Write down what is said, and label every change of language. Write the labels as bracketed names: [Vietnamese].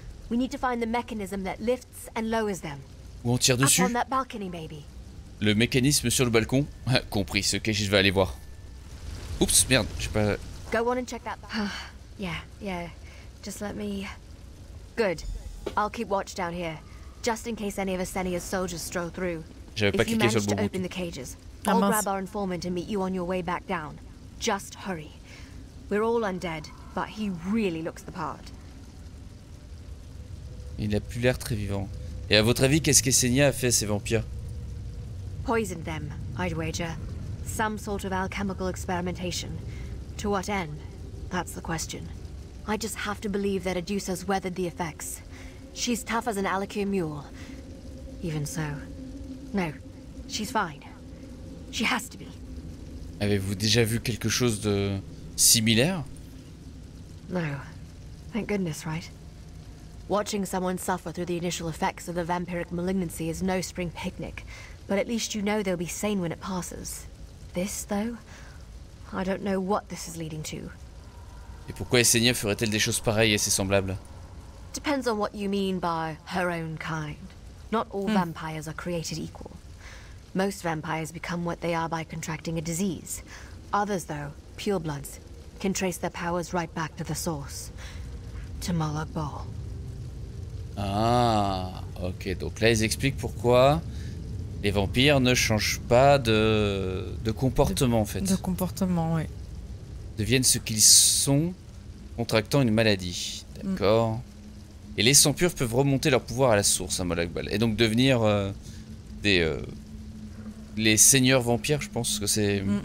[English] We need to find the mechanism that lifts and lowers them. [French] Où on tire dessus? [English] Up on that balcony, maybe. [French] Le mécanisme sur le balcon? Compris, ce Khajiit va aller voir. Oups, merde, j'ai pas... [English] Go on and check that. Yeah, yeah. Just let me... Good. I'll keep watch down here. Just in case any of Asenia's soldiers stroll through. [French] J'avais pas cliqué sur le bon bouton. [English] Open the cages, I'll grab our informant and meet you on your way back down. Just hurry. We're all undead, but he really looks the part. [French] Il n'a plus l'air très vivant. Et à votre avis, qu'est-ce qu'Essenia a fait à ces vampires? [English] Poisoned them, I'd wager. Some sort of alchemical experimentation. To what end? That's the question. I just have to believe that Adusa's weathered the effects. She's tough as an Alakir mule. Even so. No, she's fine. She has to be. [French] Avez-vous déjà vu quelque chose de similaire? [English] No. Thank goodness, right? Watching someone suffer through the initial effects of the vampiric malignancy is no spring picnic, but at least you know they'll be sane when it passes. This, though, I don't know what this is leading to. [French] Et pourquoi Essenia ferait-elle des choses pareilles et ses semblables? [English] Depends on what you mean by her own kind. Not all vampires are created equal. Most vampires become what they are by contracting a disease. Others, though, purebloods, can trace their powers right back to the source. To Molag Bol. [French] Ah, ok. Donc là, ils expliquent pourquoi les vampires ne changent pas de comportement, en fait. De comportement, oui. Deviennent ce qu'ils sont, contractant une maladie. D'accord. Et les sans purs peuvent remonter leur pouvoir à la source, à Molag Bol, et donc devenir les seigneurs vampires, je pense que c'est...